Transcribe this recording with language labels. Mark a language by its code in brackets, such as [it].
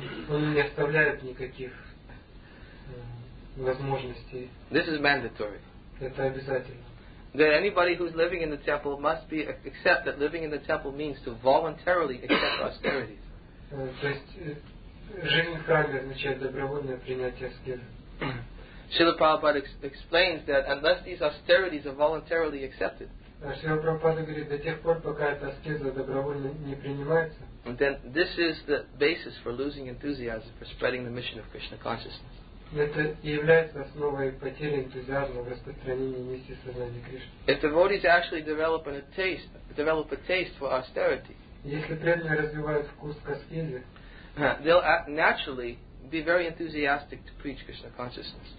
[ru] Он не оставляет никаких возможностей. [en] This is mandatory. [ru] Это обязательно. [en] That anybody who's living in the temple must be accept that living in the temple means to voluntarily accept austerities. [ru] То есть жизнь в храме означает добровольное принятие аскезы. [en] Srila Prabhupada explains that unless these austerities are voluntarily accepted, [ru] Srila Prabhupada говорит, до тех пор, пока эта аскеза добровольно не принимается, [en] then this is the basis for losing enthusiasm for spreading the mission of Krishna consciousness. [ru] Это является основой потери энтузиазма в распространении миссии сознания Кришны. [en] If devotees actually develop a taste for austerity, [ru] если преданные развивают вкус к аскезе, [en] they'll naturally be very enthusiastic to preach Krishna consciousness.